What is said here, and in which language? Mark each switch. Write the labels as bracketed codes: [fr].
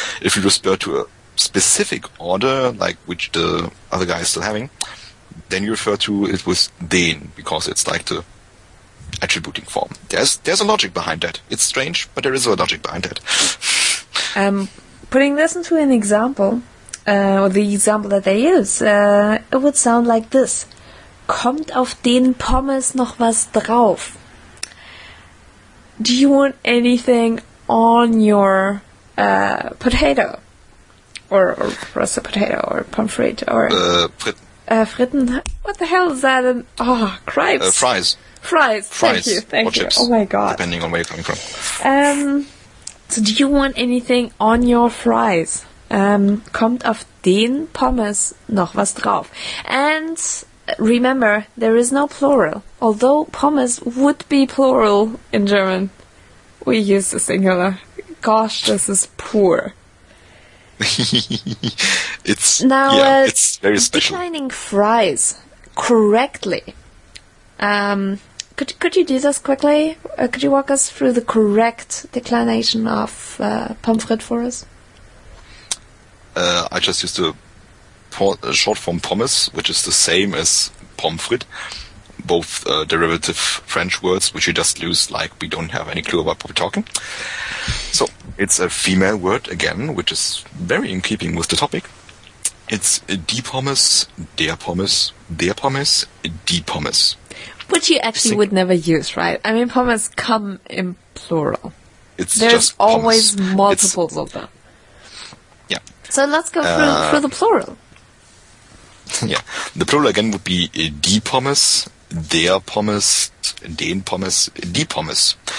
[en] If you refer to a specific order, like which the other guy is still having, then you refer to it with den, because it's like the attributing form. There's a logic behind that. It's strange, but there is a logic behind that. Putting this into an example, or the example that they use, it would sound like this. [de] Kommt auf den Pommes noch was drauf? [en] Do you want anything on your potato? Or roasted potato, or pommes frites, or... [de] Fritten. [en] What the hell is that? Cripes. Fries. Thank you. Chips, oh my god. Depending on where you're coming from. So do you want anything on your fries? [de] Kommt auf den Pommes noch was drauf? [en] And remember, there is no plural. Although Pommes would be plural in German, we use the singular. Gosh, this is poor. It's very special. Defining fries correctly. Could you do this quickly? Could you walk us through the correct declination of pommes frites for us? I just used a short form pommes, which is the same as pommes frites, both derivative French words, which you just lose, like we don't have any clue about what we're talking. So it's a female word again, which is very in keeping with the topic. [de] It's die pommes, der pommes, der pommes, die pommes. [en] Which you actually would never use, right? I mean, pommes come in plural. There's just always multiples of them. Yeah. So let's go through the plural. Yeah. The plural again would be [de] die pommes, der pommes, den pommes, die pommes.